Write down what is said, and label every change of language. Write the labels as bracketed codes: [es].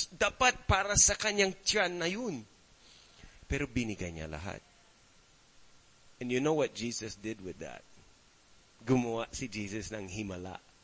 [tl] Dapat para sa kanyang tiyan na yun. Pero binigay niya lahat. [en] And you know what Jesus did with that? [tl] Gumawa si Jesus ng himala.